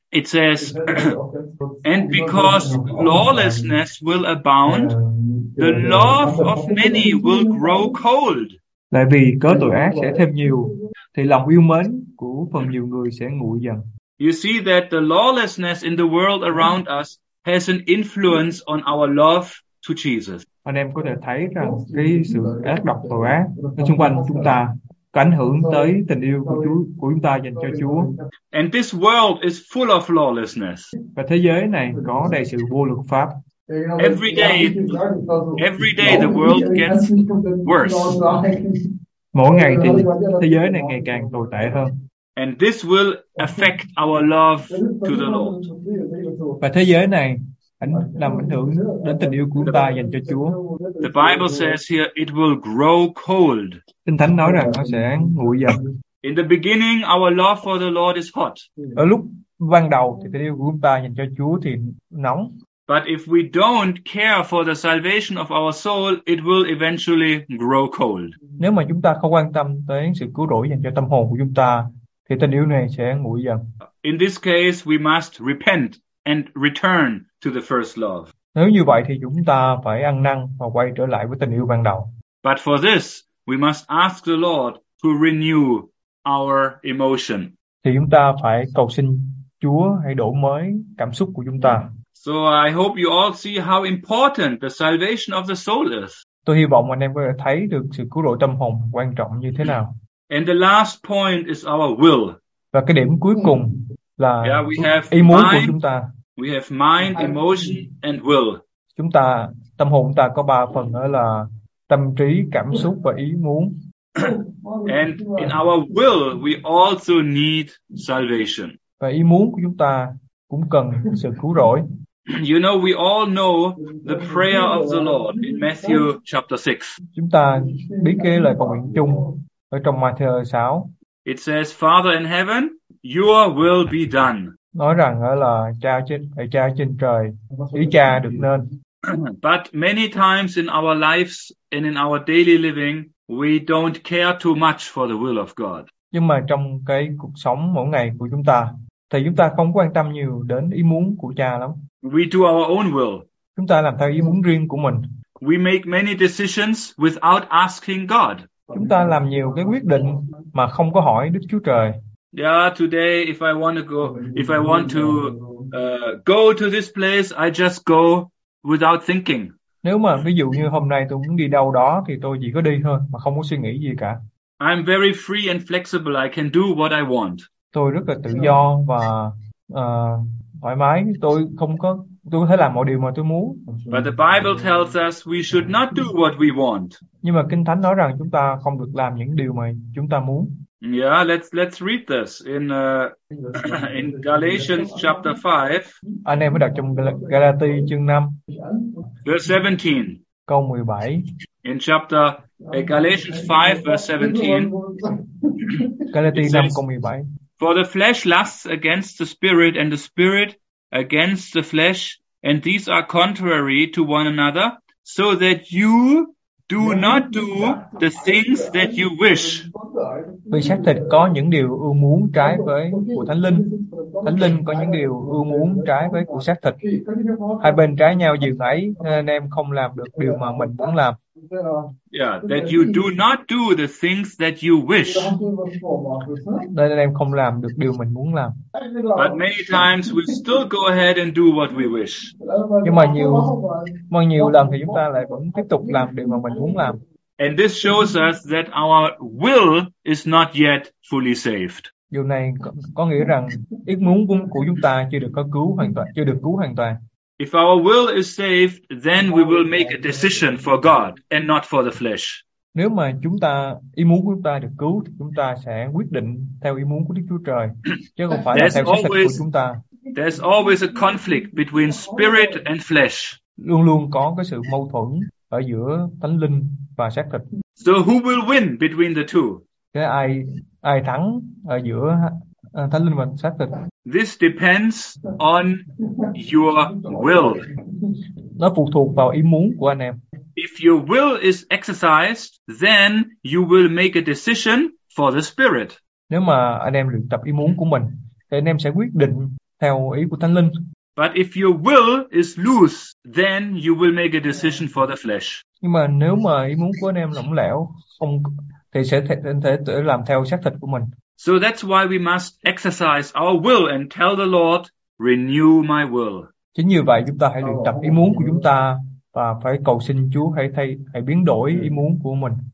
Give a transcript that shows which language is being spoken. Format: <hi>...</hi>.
<en>It says, and because lawlessness will abound, the love of many will grow cold.</en> <vi>Tại vì cớ tội ác sẽ thêm nhiều, thì lòng yêu mến của phần nhiều người sẽ nguội dần.</vi> <en>You see that the lawlessness in the world around us has an influence on our love to Jesus.</en> <vi>Anh em có thể thấy rằng cái sự ác độc tội ác ở xung quanh chúng ta có ảnh hưởng tới tình yêu của Chúa, của chúng ta dành cho Chúa.</vi> <en>And this world is full of lawlessness.</en> <vi>Và thế giới này có đầy sự vô luật pháp.</vi> <en>Every day the world gets worse.</en> <vi>Mỗi ngày thì thế giới này ngày càng tồi tệ hơn.</vi> <en>And this will affect our love to the Lord.</en> <vi>Và thế giới này làm ảnh hưởng đến tình yêu của ta dành cho Chúa.</vi> <en>The Bible says here it will grow cold.</en> <vi>Kinh Thánh nói rằng nó sẽ nguội dần.</vi> <en>In the beginning our love for the Lord is hot.</en> <vi>Ở lúc ban đầu thì tình yêu của ta dành cho Chúa thì nóng.</vi> <en>But if we don't care for the salvation of our soul, it will eventually grow cold.</en> <vi>Nếu mà chúng ta không quan tâm tới sự cứu rỗi dành cho tâm hồn của chúng ta, thì tình yêu này sẽ nguội dần.</vi> <en>In this case, we must repent and return to the first love.</en> <vi>Nếu như vậy thì chúng ta phải ăn năn và quay trở lại với tình yêu ban đầu.</vi> <en>But for this, we must ask the Lord to renew our emotion.</en> <vi>Thì chúng ta phải cầu xin Chúa hãy đổi mới cảm xúc của chúng ta.</vi> <en>So I hope you all see how important the salvation of the soul is.</en> <vi>Tôi hy vọng anh em có thể thấy được sự cứu rỗi tâm hồn quan trọng như thế nào.</vi> <en>And the last point is our will.</en> <vi>Và cái điểm cuối cùng là ý muốn của chúng ta.</vi> <en>We have mind, emotion and will.</en> <vi>Chúng ta, tâm hồn ta có ba phần đó là tâm trí, cảm xúc và ý muốn.</vi> <en>And in our will we also need salvation.</en> <vi>Và ý muốn của chúng ta cũng cần sự cứu rỗi.</vi> <en>You know, we all know the prayer of the Lord in Matthew chapter 6.</en> <vi>Chúng ta biết cái lời cầu nguyện chung ở trong Matthew 6.</vi> <en>It says, Father in heaven, your will be done.</en> <vi>Nói rằng là cha trên trời, ý cha được nên.</vi> <en>But many times in our lives and in our daily living, we don't care too much for the will of God.</en> <vi>Nhưng mà trong cái cuộc sống mỗi ngày của chúng ta, thì chúng ta không quan tâm nhiều đến ý muốn của cha lắm.</vi> <en>We do our own will.</en> <vi>Chúng ta làm theo ý muốn riêng của mình.</vi> <en>We make many decisions without asking God.</en> <vi>Chúng ta làm nhiều cái quyết định mà không có hỏi Đức Chúa Trời.</vi> <en>Yeah, today if I want to go to this place, I just go without thinking.</en> <vi>Nếu mà ví dụ như hôm nay tôi muốn đi đâu đó thì tôi chỉ có đi thôi mà không có suy nghĩ gì cả.</vi> <en>I'm very free and flexible. I can do what I want.</en> <vi>Tôi rất là tự do và thoải mái, tôi có thể làm mọi điều mà tôi muốn.</vi> <en>But the Bible tells us we should not do what we want.</en> <vi>Nhưng mà Kinh Thánh nói rằng chúng ta không được làm những điều mà chúng ta muốn.</vi> <en>Yeah, let's read this in Galatians chapter 5.</en> <vi>Anh em mới đọc trong Galati chương 5.</vi> <en>Verse 17.</en> <vi>Câu 17.</vi> <en>In chapter Galatians 5 verse 17.</en> <vi>Galatians 5 câu 17.</vi> <en>For the flesh lusts against the spirit and the spirit against the flesh, and these are contrary to one another, so that you do not do the things that you wish.</en> <vi>Vì xác thịt có những điều ưu muốn trái với của thánh linh, thánh linh có những điều ưu muốn trái với của xác thịt. Hai bên trái nhau dường ấy, nên em không làm được điều mà mình muốn làm.</vi> <en>Yeah, that you do not do the things that you wish.</en> <vi>Nên em không làm được điều mình muốn làm.</vi> <en>But many times we still go ahead and do what we wish.</en> <vi>Nhưng mà nhiều lần thì chúng ta lại vẫn tiếp tục làm điều mà mình muốn làm.</vi> <en>And this shows us that our will is not yet fully saved.</en> <vi>Điều này có nghĩa rằng ý muốn của chúng ta chưa được có cứu hoàn toàn, chưa được cứu hoàn toàn.</vi> <en>If our will is saved, then we will make a decision for God and not for the flesh.</en> <vi>Nếu mà chúng ta ý muốn của chúng ta được cứu, thì chúng ta sẽ quyết định theo ý muốn của Đức Chúa Trời, chứ không phải là theo sở thích của chúng ta.</vi> <en>There's always a conflict between spirit and flesh.</en> <vi>Luôn luôn có cái sự mâu thuẫn ở giữa thánh linh và xác thịt.</vi> <en>So who will win between the two?</en> <vi>Cái ai thắng ở giữa thánh linh và xác thịt?</vi> <en>This depends on your will.</en> <vi>Nó phụ thuộc vào ý muốn của anh em.</vi> <en>If your will is exercised, then you will make a decision for the spirit.</en> <vi>Nếu mà anh em luyện tập ý muốn của mình, thì anh em sẽ quyết định theo ý của thánh linh.</vi> <en>But if your will is loose, then you will make a decision for the flesh.</en> <vi>Nhưng mà nếu mà ý muốn của anh em lỏng lẻo, không thì sẽ thể làm theo xác thịt của mình.</vi> <en>So that's why we must exercise our will and tell the Lord, renew my will.</en> <vi>Chính như vậy chúng ta hãy luyện tập ý muốn của chúng ta và phải cầu xin Chúa hãy biến đổi ý muốn của mình.</vi>